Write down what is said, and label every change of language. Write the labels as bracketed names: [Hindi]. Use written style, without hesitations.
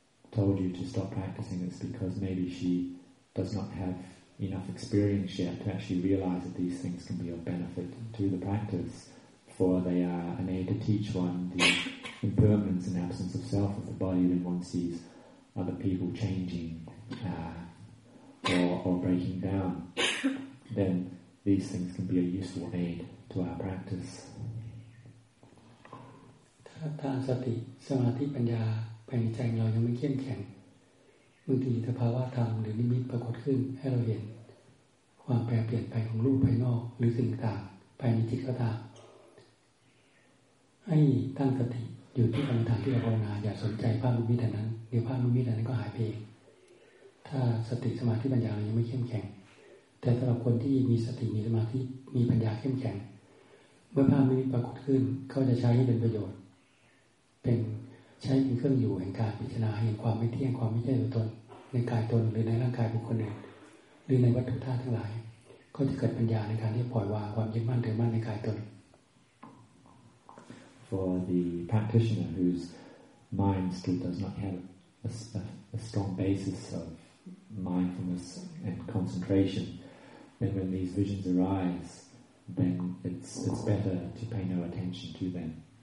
[English] told you to stop practicing is because maybe she does not have enough experience yet to actually realize that these things can be of benefit to the practice, for they are an aid to teach one the impermanence and absence of self of the body when one sees other people changing or breaking down. Then these things can be a useful aid to our practice. [Thai] ถ้าสติสมาธิปัญญาภายในใจเรายังไม่เข้มแข็งบางทีถ้าภาวะธรรมหรือนิมิตปรากฏขึ้นให้เราเห็นความแปรเปลี่ยนไปของรูปภายนอกหรือสิ่งต่างภายในจิตก็ตาม ให้ตั้งสติอยู่ที่กรรมฐานที่เราภาวนาอย่าสนใจภาพนิมิตนั้นเดี๋ยวภาพนิมิตนั้นก็หายไปเองถ้าสติสมาธิปัญญาเรายังไม่เข้มแข็งแต่สำหรับคนที่มีสติมีสมาธิมีปัญญาเข้มแข็งเมื่อภาพนิมิตปรากฏขึ้นเขาจะใช้ให้เป็นประโยชน์เป็นใช้เป็นเครื่องอยู่แห่งการพิจารณาเห็นความไม่เที่ยงความไม่ใช่ตัวตนในกายตนหรือในร่างกายบุคคลอื่นหรือในวัตถุธาตุทั้งหลายก็จะเกิดปัญญาในการที่ปล่อยวางความยึดมั่นถือมั่นในกายตน [English] For the practitioner whose mind still does not have a strong basis of mindfulness and concentration, then when these visions arise, then it's better to pay no attention to them.